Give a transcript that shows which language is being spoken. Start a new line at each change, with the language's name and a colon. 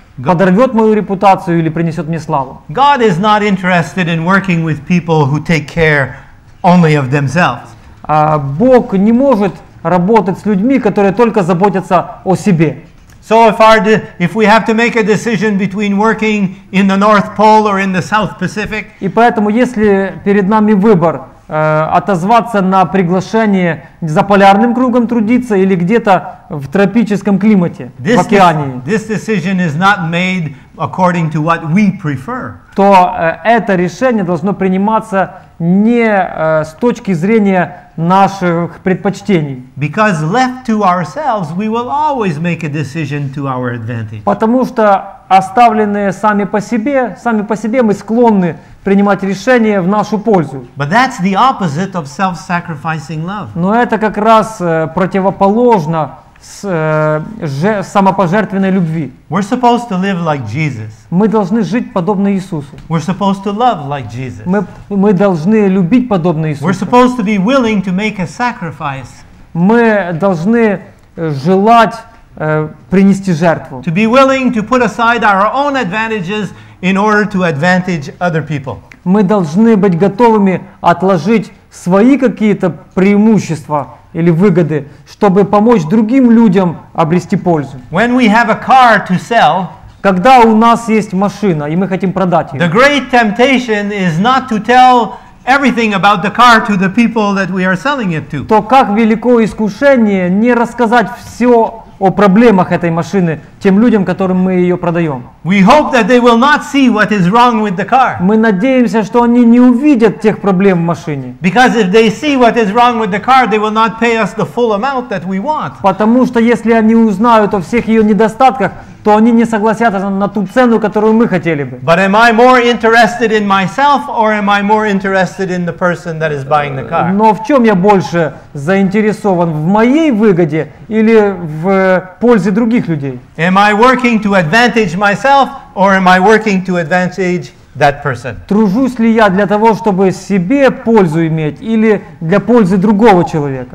Russian: Подорвет мою репутацию или принесет мне славу.
English: God is not interested in working with people who take care only of themselves.
Russian: Бог не может работать с людьми, которые только заботятся о себе.
English: So if we have to make a decision between working in the North Pole or in the South Pacific,
Russian: и поэтому, если перед нами выбор, отозваться на приглашение за полярным кругом трудиться или где-то в тропическом климате,
English: this
Russian: в океане,
English: this decision is not made according to what we prefer.
Russian: То это решение должно приниматься не с точки зрения наших предпочтений.
English: Because left to ourselves, we will always make a decision to our advantage.
Russian: Потому что оставленные сами по себе мы склонны принимать решения в нашу пользу.
English: But that's the opposite of self-sacrificing love.
Russian: Но это как раз противоположно самопожертвенной любви.
English: We're supposed to live like Jesus.
Russian: Мы должны жить подобно Иисусу.
English: We're supposed to love like Jesus.
Russian: Мы должны любить подобно Иисусу.
English: We're supposed to be willing to make a sacrifice.
Russian: Мы должны желать принести жертву.
English: To be willing to put aside our own advantages in order to advantage other people.
Russian: Мы должны быть готовыми отложить свои какие-то преимущества или выгоды, чтобы помочь другим людям обрести пользу.
English: When we have a car to sell,
Russian: когда у нас есть машина, и мы хотим продать ее,
English: the great temptation is not to tell everything about the car to the people that we are selling it to.
Russian: То как велико искушение не рассказать все о проблемах этой машины тем людям, которым мы ее продаем.
English: We hope that they will not see what is wrong with the car.
Russian: Мы надеемся, что они не увидят тех проблем в машине.
English: Because if they see what is wrong with the car, they will not pay us the full amount that we want.
Russian: Потому что если они узнают о всех ее недостатках, то они не согласятся на ту цену, которую мы хотели бы.
English: But am I more interested in myself or am I more interested in the person that is buying the car?
Russian: Но в чем я больше заинтересован, в моей выгоде или в пользе других людей?
English: Am I working to advantage myself or am I working to advantage that person?
Russian: Тружусь ли я для того, чтобы себе пользу иметь или для пользы другого человека?